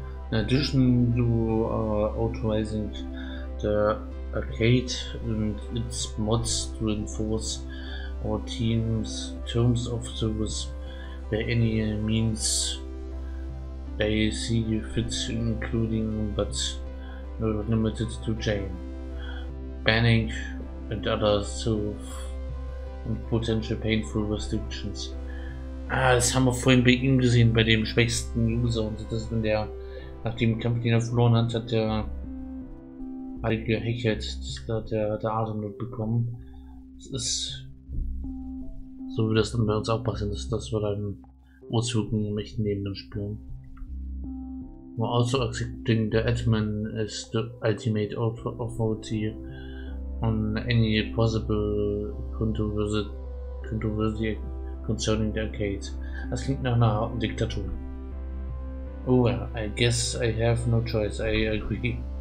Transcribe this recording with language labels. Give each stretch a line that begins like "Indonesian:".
English: In addition to authorizing the arcade and its mods to enforce our team's terms of service by any means they see fit, including but not limited to jail, banning and other sort of potential painful restrictions.
German: Ah, das haben wir vorhin bei ihm gesehen, bei dem schwächsten User, und das ist wenn der, nach dem Kampf, den er verloren hat, hat der halt gehechelt, hat der Atemnot bekommen. Das ist so, wie das dann bei uns auch passiert ist, dass wir dann Auswirkungen im echten Leben dann spüren.
English: We're also accepting the admin as the ultimate authority on any possible controversy concerning the arcade.
German: Das klingt nach einer harten Diktatur.
English: Oh well, I guess I have no choice, I agree.